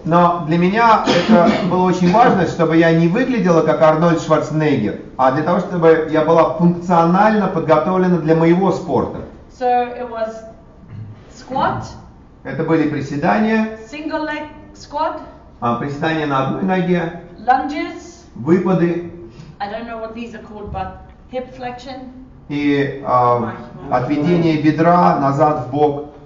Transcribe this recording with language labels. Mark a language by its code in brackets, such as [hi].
[ru] Но для меня это было очень важно, чтобы я не выглядела как Арнольд Шварценеггер, а для того, чтобы я была функционально подготовлена для моего спорта. [en] So it was squat. [ru] Это были приседания. [en] Single leg squat. [ru] Приседания на одной ноге. [en] Lunges. [ru] Выпады. [en] I don't know what these are called, but hip flexion. [ru] И отведение бедра назад в бок.